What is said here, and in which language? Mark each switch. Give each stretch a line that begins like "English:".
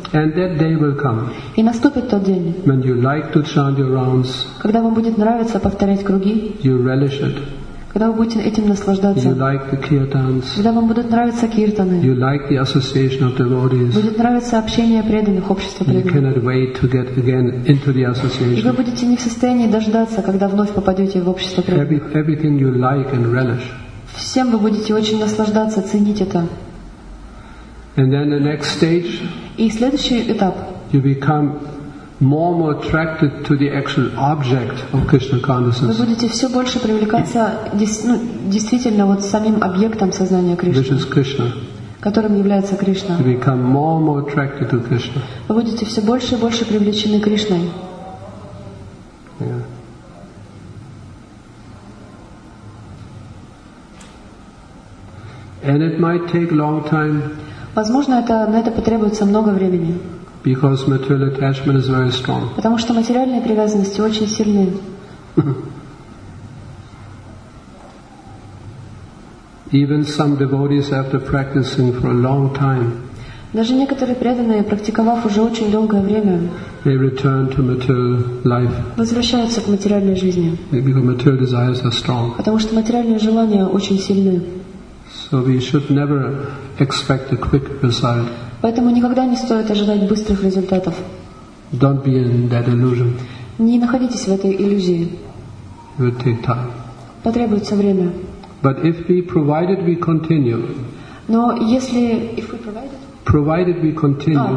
English: And that day will come.
Russian: И наступит тот день.
English: When you like to chant your rounds.
Russian: Когда вам будет нравиться повторять круги.
English: You relish it.
Russian: Когда вы будете этим наслаждаться.
English: You like the kirtans.
Russian: Когда вам будут нравиться киртаны.
English: You like the association of devotees.
Russian: Будет нравиться общение преданных, общество преданных.
English: You cannot wait to get again into the association.
Russian: И вы будете не в состоянии дождаться, когда вновь попадете в общество преданных.
English: Everything you like and relish.
Russian: Всем вы будете очень наслаждаться, ценить это.
English: And then the next stage.
Russian: И следующий этап.
English: You become more and more attracted to the actual object of Krishna consciousness.
Russian: Вы будете все больше привлекаться действительно вот самим объектом сознания Кришны.
English: Which is Krishna.
Russian: Которым является Кришна.
English: You become more and more attracted to Krishna.
Russian: Вы будете все больше и больше привлечены Кришной.
English: Yeah. And it might take long time.
Russian: Возможно, на это потребуется много времени.
English: Because material attachment is very strong.
Russian: Потому что материальные привязанности очень сильны.
English: Even some devotees, after practicing for a long time,
Russian: даже некоторые преданные, практиковав уже очень долгое время,
English: they return to material life.
Russian: Возвращаются к материальной жизни.
English: Because material desires are strong.
Russian: Потому что материальные желания очень сильны.
English: So we should never expect a quick result.
Russian: Поэтому никогда не стоит ожидать быстрых результатов.
English: Don't be in that illusion.
Russian: Не находитесь в этой иллюзии.
English: It will take time.
Russian: Потребуется время.
English: But if we provided we continue.
Russian: Но если
English: if we provided. Provided we continue.